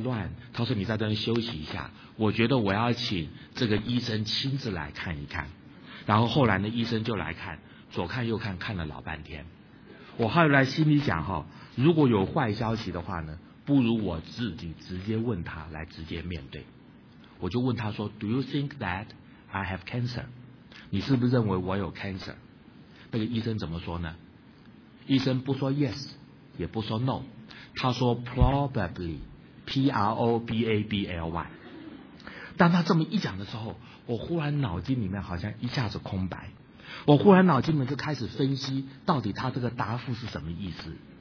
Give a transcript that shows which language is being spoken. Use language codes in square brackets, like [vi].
[zh] Luan， 他说你在这边休息一下，我觉得我要请这个医生亲自来看一看。然后后来呢医生就来看，左看右看，看了老半天。我后来心里想哈，如果有坏消息的话呢，不如我自己直接问他来直接面对。我就问他说 [en] Do you think thatI have cancer， [zh] 你是不是认为我有 cancer？那个医生怎么说呢？医生不说 yes 也不说 no， 他说 probably， P-R-O-B-A-B-L-Y。当他这么一讲的时候，我忽然脑筋里面好像一下子空白，我忽然脑筋里面就开始分析到底他这个答复是什么意思。